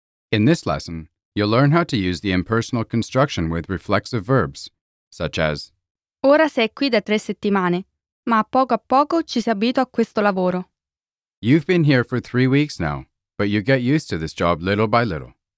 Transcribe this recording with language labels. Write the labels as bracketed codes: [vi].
[en] In this lesson, you'll learn how to use the impersonal construction with reflexive verbs, such as [it] Ora sei qui da 3 settimane, ma poco a poco ci si abitua a questo lavoro. [en] You've been here for 3 weeks now, but you get used to this job little by little.